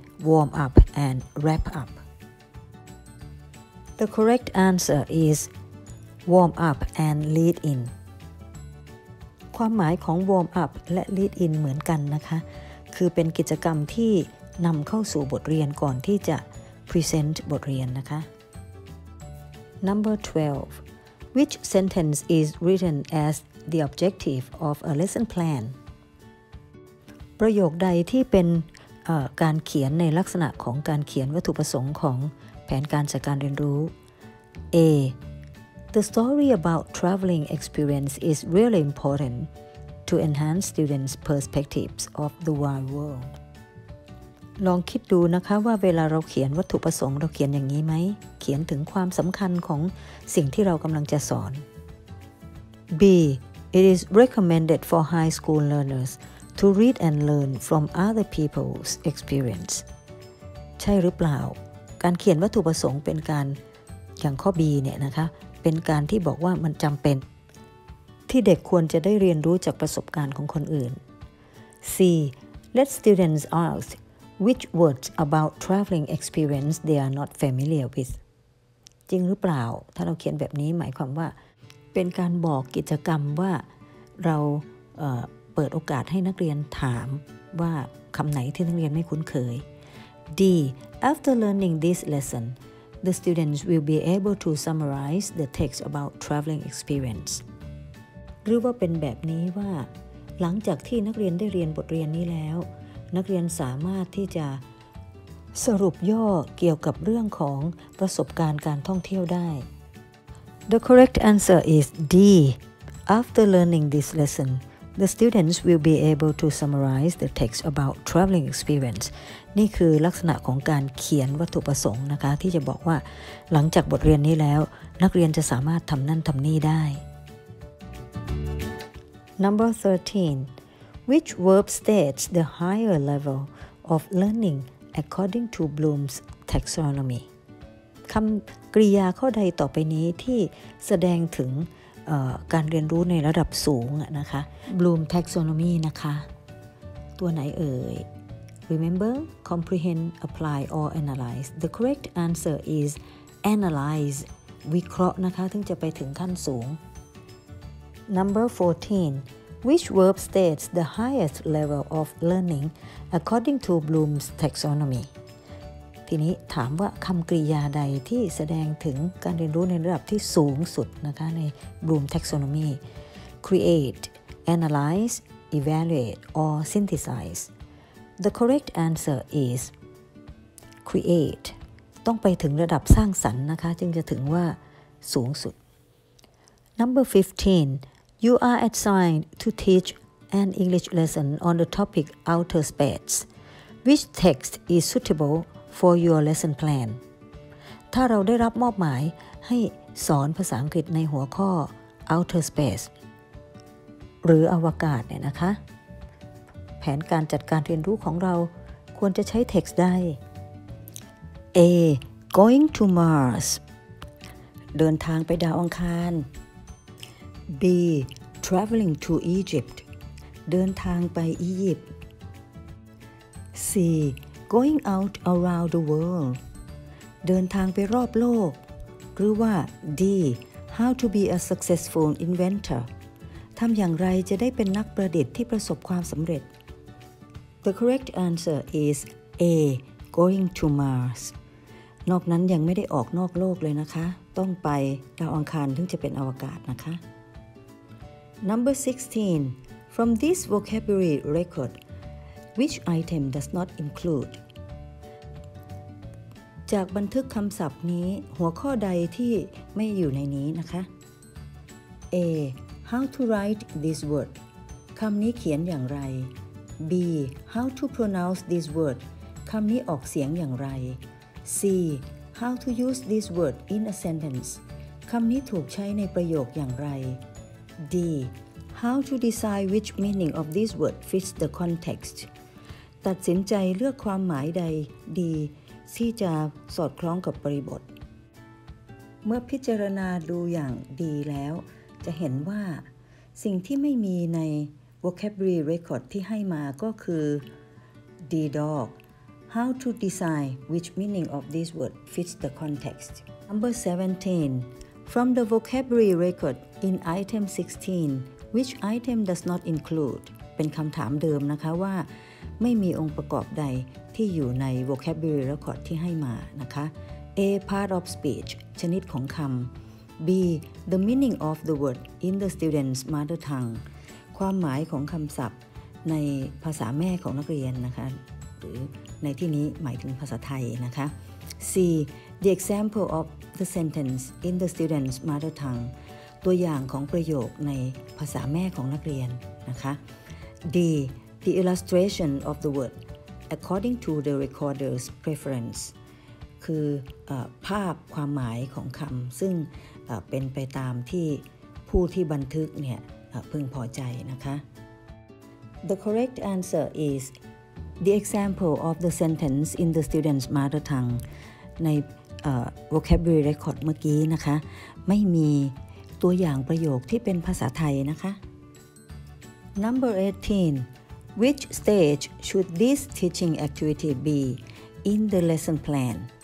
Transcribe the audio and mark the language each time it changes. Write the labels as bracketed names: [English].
[English] Warm up and wrap up The correct answer is Warm up and lead in [Thai] ความหมายของ warm up และ lead in เหมือนกันนะคะคือเป็นกิจกรรมที่นำเข้าสู่บทเรียนก่อนที่จะ present บทเรียนนะคะ [English] Number 12 Which sentence is written as the objective of a lesson plan? [Thai] ประโยคใดที่เป็นการเขียนในลักษณะของการเขียนวัตถุประสงค์ของแผนการจัดการเรียนรู้ A [English] The story about traveling experience is really important to enhance students' perspectives of the wide world. [Thai] ลองคิดดูนะคะว่าเวลาเราเขียนวัตถุประสงค์เราเขียนอย่างนี้ไหมเขียนถึงความสำคัญของสิ่งที่เรากำลังจะสอน B. [English] It is recommended for high school learners to read and learn from other people's experience. [Thai] ใช่หรือเปล่าการเขียนวัตถุประสงค์เป็นการอย่างข้อ B เนี่ยนะคะเป็นการที่บอกว่ามันจำเป็นที่เด็กควรจะได้เรียนรู้จากประสบการณ์ของคนอื่น C. [English] Let students ask which words about traveling experience they are not familiar with. [Thai] จริงหรือเปล่าถ้าเราเขียนแบบนี้หมายความว่าเป็นการบอกกิจกรรมว่าเราเปิดโอกาสให้นักเรียนถามว่าคำไหนที่นักเรียนไม่คุ้นเคย D. [English] After learning this lesson, the students will be able to summarize the text about traveling experience. [Thai] หรือว่าเป็นแบบนี้ว่าหลังจากที่นักเรียนได้เรียนบทเรียนนี้แล้วนักเรียนสามารถที่จะสรุปย่อเกี่ยวกับเรื่องของประสบการณ์การท่องเที่ยวได้ [English] The correct answer is D. After learning this lesson, the students will be able to summarize the text about traveling experience. [Thai] นี่คือลักษณะของการเขียนวัตถุประสงค์นะคะที่จะบอกว่าหลังจากบทเรียนนี้แล้วนักเรียนจะสามารถทำนั่นทำนี่ได้ [English] Number 13. Which verb states the higher level of learning according to Bloom's taxonomy? [Thai] คำกริยาข้อใดต่อไปนี้ที่แสดงถึงการเรียนรู้ในระดับสูงนะคะ Bloom Taxonomy นะคะตัวไหนเอ่ย [English] Remember, comprehend, apply, or analyze The correct answer is analyze [Thai] วิเคราะห์นะคะถึงจะไปถึงขั้นสูง [English] Number 14 Which verb states the highest level of learning according to Bloom's taxonomy [Thai] ทีนี้ถามว่าคำกริยาใดที่แสดงถึงการเรียนรู้ในระดับที่สูงสุดนะคะใน Bloom Taxonomy [English] Create, Analyze, Evaluate, or Synthesize The correct answer is Create [Thai] ต้องไปถึงระดับสร้างสรรค์นะคะจึงจะถึงว่าสูงสุด [English] Number 15 You are assigned to teach an English lesson on the topic Outer Space Which text is suitableFor your lesson plan, [Thai] ถ้าเราได้รับมอบหมายให้สอนภาษาอังกฤษในหัวข้อ Outer Space หรืออวกาศเนี่ยนะคะแผนการจัดการเรียนรู้ของเราควรจะใช้ text ได้ [English] A. Going to Mars [Thai] เดินทางไปดาวอังคาร [English] B. Traveling to Egypt [Thai] เดินทางไปอียิปต์ [English] C. Going out around the world [Thai] เดินทางไปรอบโลกหรือว่า [English] D. How to be a successful inventor [Thai] ทำอย่างไรจะได้เป็นนักประดิษฐ์ที่ประสบความสำเร็จ [English] The correct answer is A. Going to Mars [Thai] นอกนั้นยังไม่ได้ออกนอกโลกเลยนะคะต้องไปดาวอังคารถึงจะเป็นอวกาศนะคะ [English] Number 16 From this vocabulary recordWhich item does not include? [Thai] จากบันทึกคำศัพท์นี้หัวข้อใดที่ไม่อยู่ในนี้นะคะ [English] A. How to write this word? [Thai] คำนี้เขียนอย่างไร [English] B. How to pronounce this word? [Thai] คำนี้ออกเสียงอย่างไร C. [English] How to use this word in a sentence? [Thai] คำนี้ถูกใช้ในประโยคอย่างไร D. [English] How to decide which meaning of this word fits the context? [Thai] ตัดสินใจเลือกความหมายใดดีที่จะสอดคล้องกับบริบทเมื่อพิจารณาดูอย่างดีแล้วจะเห็นว่าสิ่งที่ไม่มีใน vocabulary record ที่ให้มาก็คือ D dog [English] How to decide which meaning of this word fits the context Number 17 From the vocabulary record in item 16 Which item does not include [Thai] เป็นคำถามเดิมนะคะว่าไม่มีองค์ประกอบใดที่อยู่ใน vocabulary record ที่ให้มานะคะ [English] A part of speech [Thai] ชนิดของคำ [English] B the meaning of the word in the student's mother tongue [Thai] ความหมายของคำศัพท์ในภาษาแม่ของนักเรียนนะคะหรือในที่นี้หมายถึงภาษาไทยนะคะ C [English] The example of the sentence in the student's mother tongue. [Thai] ตัวอย่างของประโยคในภาษาแม่ของนักเรียนนะคะ D. [English] The illustration of the word according to the recorder's preference. [Thai] คือภาพความหมายของคำซึ่งเป็นไปตามที่ผู้ที่บันทึกเนี่ยพึงพอใจนะคะ [English] The correct answer is the example of the sentence in the student's mother tongue [Thai] ในvocabulary record เมื่อกี้นะคะไม่มีตัวอย่างประโยคที่เป็นภาษาไทยนะคะ [English] Number 18 Which stage should this teaching activity be in the lesson plan?